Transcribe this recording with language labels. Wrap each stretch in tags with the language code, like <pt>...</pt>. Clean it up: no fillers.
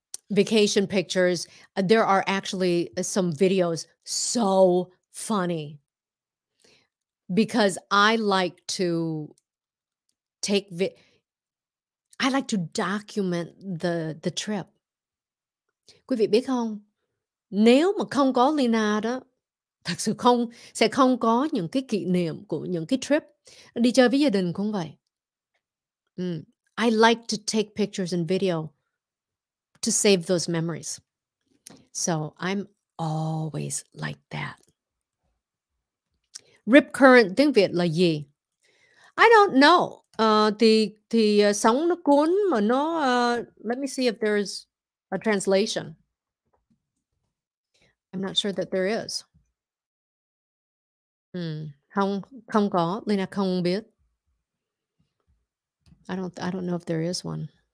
<en>vacation pictures. There are actually some videos so funny because I like to take, I like to document the trip.</en> <vi>Quý vị biết không? Nếu mà không có Leyna đó, thật sự không, sẽ không có những cái kỷ niệm của những cái trip. Đi chơi với gia đình cũng vậy.</vi> <en>I like to take pictures and video to save those memories. So I'm always like that.</en> <vi>Rip current tiếng Việt là gì?</vi> <en>I don't know.</en> <vi>Thì sóng nó cuốn mà nó...</vi> <en>let me see if there is a translation. I'm not sure that there is.</en> <vi>Không có. Leyna không biết.</vi> <en>I don't know if there is one.</en>